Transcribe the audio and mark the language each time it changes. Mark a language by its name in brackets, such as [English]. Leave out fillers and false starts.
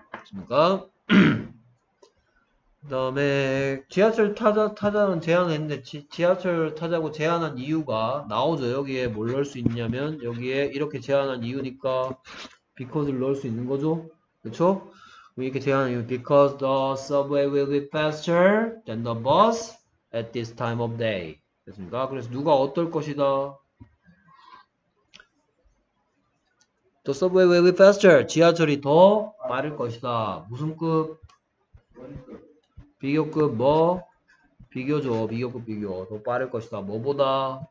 [Korean] 그니까 그 다음에 지하철 타자는 제안했는데 지하철 타자고 제안한 이유가 나오죠. 여기에 뭘 넣을 수 있냐면 여기에 이렇게 제안한 이유니까 because를 넣을 수 있는 거죠. 그렇죠? 이렇게 제안한 이유 [English] because the subway will be faster than the bus at this time of day. [Korean] 됐습니까? 그래서 누가 어떨 것이다. [English] The subway will be faster. [Korean] 지하철이 더 빠를 것이다. 무슨 급? 비교급 뭐? 비교죠. 비교급 비교. 더 빠를 것이다. 뭐보다?